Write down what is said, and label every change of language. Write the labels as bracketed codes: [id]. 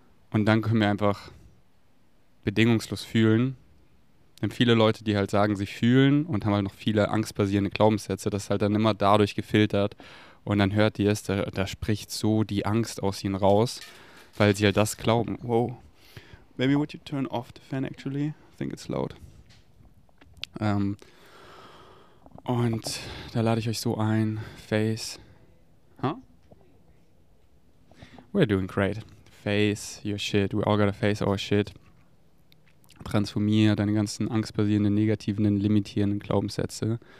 [de] Und dann können wir einfach bedingungslos fühlen. Denn viele Leute, die halt sagen, sie fühlen und haben halt noch viele angstbasierende Glaubenssätze, das ist halt dann immer dadurch gefiltert. Und dann hört ihr es, da spricht so die Angst aus ihnen raus, weil sie halt das glauben. Wow. [en] Maybe would you turn off the fan actually? I think it's loud. [de] Und da lade ich euch so ein, [en] face, huh? We're doing great. Face your shit. We all gotta face our shit. [de] Transformier deine ganzen angstbasierenden, negativen, limitierenden Glaubenssätze.